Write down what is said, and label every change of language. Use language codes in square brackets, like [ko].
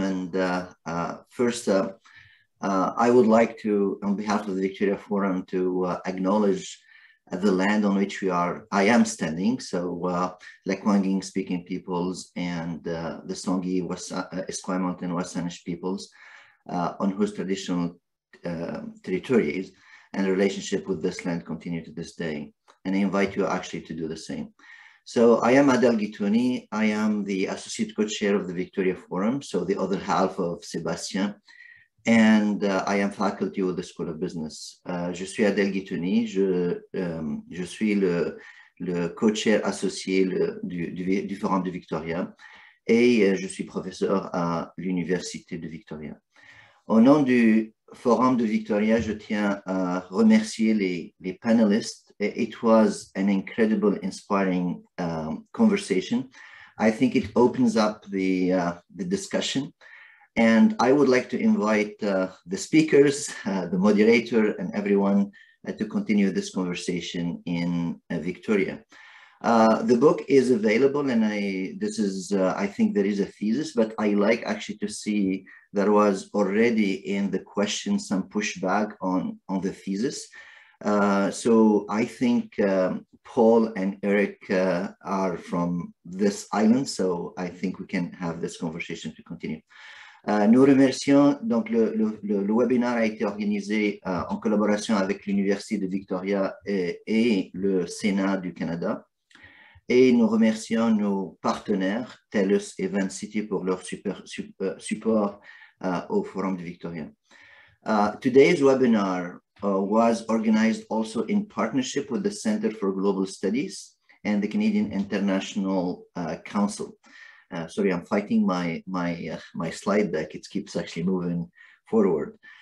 [en] And first, I would like to, on behalf of the Victoria Forum, to acknowledge the land on which we are, I am standing, so Lekwungen speaking peoples and the Songhe, Esquimalt and West Saanich peoples on whose traditional territories and relationship with this land continue to this day. And I invite you actually to do the same. So I am Adel Gitouni. I am the associate co-chair of the Victoria Forum, so the other half of Sebastian. And I am faculty with the School of Business. [fr] Je suis Adel Gitouni. Je suis le co-chair associé du Forum de Victoria. Et je suis professeur à l'Université de Victoria. Au nom du Forum de Victoria, je tiens à remercier les panelists. [en] It was an incredible, inspiring conversation. I think it opens up the discussion. And I would like to invite the speakers, the moderator, and everyone to continue this conversation in Victoria. The book is available, and I think there is a thesis, but I like actually to see there was already in the question some pushback on the thesis. So I think Paul and Eric are from this island, so I think we can have this conversation to continue. [fr] Nous remercions, donc le webinar a été organisé en collaboration avec l'Université de Victoria et le Sénat du Canada. Et nous remercions nos partenaires, TELUS et VanCity, pour leur support au Forum de Victoria. [en] Today's webinar was organized also in partnership with the Center for Global Studies and the Canadian International Council. Sorry, I'm fighting my slide deck. It keeps actually moving forward.